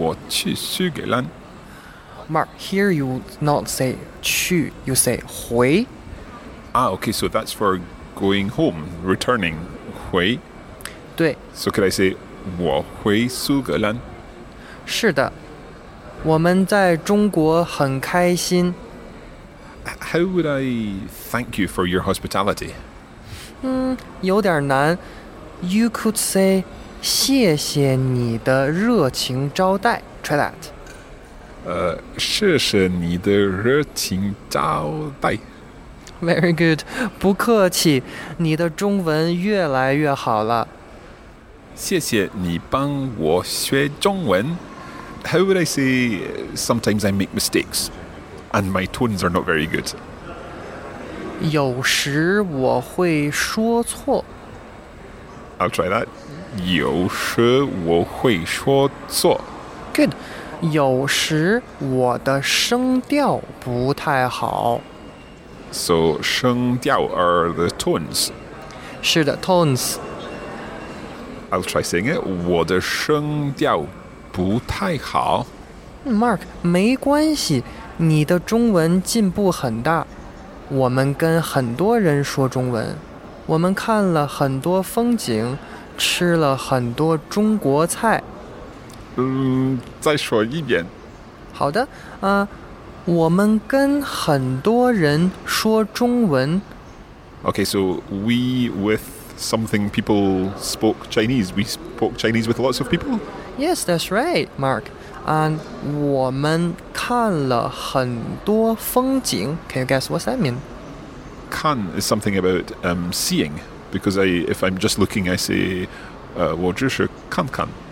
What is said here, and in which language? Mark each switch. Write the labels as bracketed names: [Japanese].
[Chinese] 但是我很难过。哦，为什么？因为今天我去苏格兰。Mark, [English] here you not say 去, you say 回. Ah, okay, so that's for going home, returning, 回. [Chinese] 对. [English] So could I say [Chinese] 我回苏格兰？是的，我们在中国很开心。 [English] How would I thank you for your hospitality? [Chinese] 有点难. [English] You could say [Chinese] 谢谢你的热情招待. [English] Try that. [Chinese] 谢谢你的热情招待. [English] Very good. [Chinese] 不客气. 你的中文越来越好了. 谢谢你帮我学中文. [English] How would I say, sometimes I make mistakes, and my tones are not very good? [Chinese] 有时我会说错. [English] I'll try that. [Chinese] 有时我会说错. [English] Good. [Chinese] 有时我的声调不太好. [English] So, 声调 are the tones. [Chinese] 是的, tones. [English] I'll try saying it. [Chinese] 我的声调不太好. Mark, 没关系, 你的中文进步很大. 我们跟很多人说中文, 我们看了很多风景, 吃了很多中国菜。再说一遍。好的, 我们跟很多人说中文。 [English] Okay, so we with something people spoke Chinese. We spoke Chinese with lots of people? Yes, that's right, Mark. And [Chinese] 我们看了很多风景. [English] Can you guess what that mean? 看 is something about seeing. Because if I'm just looking, I say [Chinese] 我只是看看.